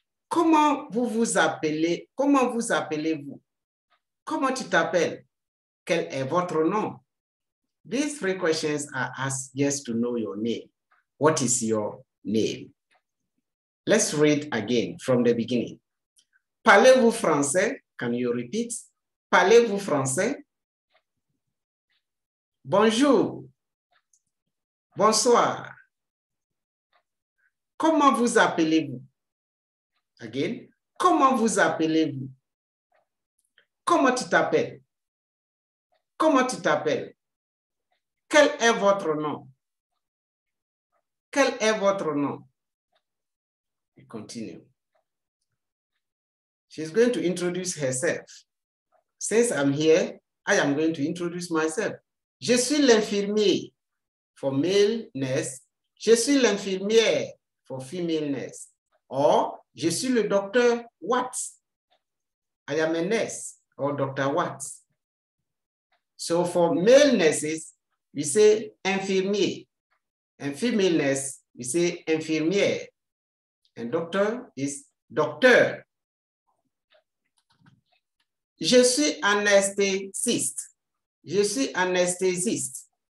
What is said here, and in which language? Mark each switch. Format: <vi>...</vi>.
<fr>Comment vous appelez-vous? Comment tu t'appelles? Quel est votre nom?</fr> <en>These three questions are asked just to know your name. What is your name? Let's read again from the beginning.</en> <fr>Parlez-vous français?</fr> <en>Can you repeat?</en> <fr>Parlez-vous français? Bonjour. Bonsoir. Comment vous appelez-vous?</fr> <en>Again.</en> <fr>Comment vous appelez-vous? Comment tu t'appelles? Comment tu t'appelles? Quel est votre nom? Quel est votre nom?</fr> <en>We continue. She's going to introduce herself. Since I'm here, I am going to introduce myself.</en> <fr>Je suis l'infirmier</fr> <en>for male nurse.</en> <fr>Je suis l'infirmière</fr> <en>for female nurse.</en> <fr>Or, je suis le docteur Watts.</fr> <en>I am a nurse or Dr. Watts. So for male nurses, we say infirmier. And female nurse, we say infirmière. And doctor is docteur.</en> <fr>Je suis anesthésiste. Je suis anesthésiste.</fr>